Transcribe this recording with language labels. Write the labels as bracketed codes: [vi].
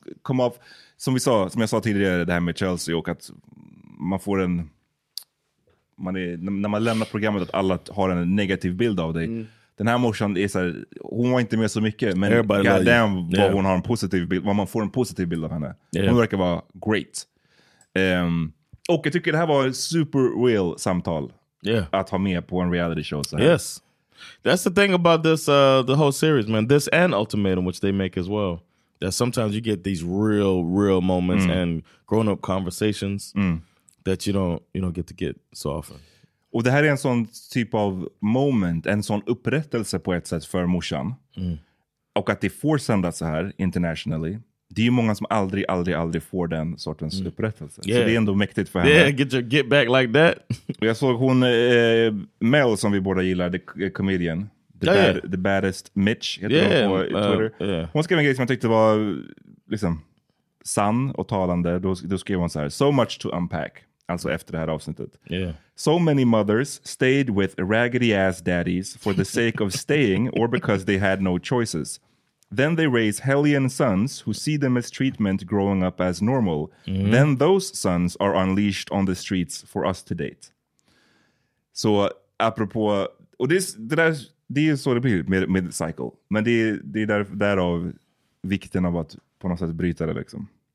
[en] come off, [sv] som vi sa, som jag sa tidigare, det här med Chelsea och att man får en, man är, när man lämnar programmet, att alla har en negativ bild av dig. Den här morsan är så här, hon var inte med så mycket, men goddamn vad hon har en positiv bild, vad man får en positiv bild av henne. Hon verkar vara great. Och jag tycker det här var ett [en] super real [sv] samtal att ha med på en reality show så här. [en] Yes. That's the thing about this the whole series, man. This and Ultimatum, which they make as well. That sometimes you get these real, real moments and grown-up conversations that you don't get to get so often. [sv] Och det här är en sån typ av moment, en sån upprättelse på ett sätt för morsan. Och att det får sändas så här internationally. Det är ju många som aldrig får den sortens upprättelse. Så det är ändå mäktigt för henne. [en] Yeah, get your get back like that. [sv] Och jag såg hon, Mel, som vi båda gillar, [en] the comedian. The baddest [sv] Mitch heter hon på Twitter. Hon skrev en grej som jag tyckte var liksom sann och talande. Då skrev hon så här: [en] so much to unpack. [sv] Alltså efter det här avsnittet. [en] So many mothers stayed with raggedy ass daddies for the sake of staying or because they had no choices. Then they raise hellion sons who see them as treatment growing up as normal. Then those sons are unleashed on the streets for us to date. [sv] Så apropå, och det är så det blir med cycle. Men det är därav vikten av att på något sätt bryta det liksom.